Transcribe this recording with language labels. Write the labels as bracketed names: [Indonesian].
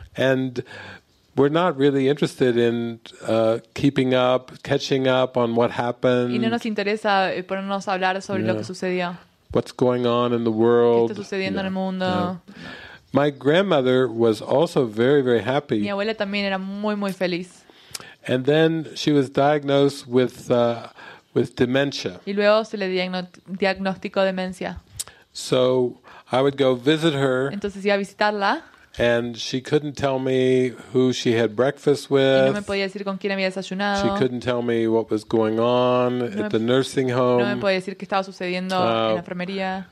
[English] And we're not really interested in keeping up, catching up on what happened. [Spanish] Y no nos interesa ponernos a hablar sobre lo que sucedió. [English] What's going on in the world? [Spanish] ¿Qué está sucediendo en el mundo? [English] My grandmother was also very, very happy. [Spanish] Mi abuela también era muy, muy feliz. [English] And then she was diagnosed with dementia. [Spanish] Y luego se le diagnosticó demencia. [English] So I would go visit her. [Spanish] Entonces iba a visitarla. [English] And she couldn't tell me who she had breakfast with. [Spanish] Y no me podía decir con quién había desayunado. [English] She couldn't tell me what was going on at the nursing home. [Spanish] No me podía decir qué estaba sucediendo en la enfermería.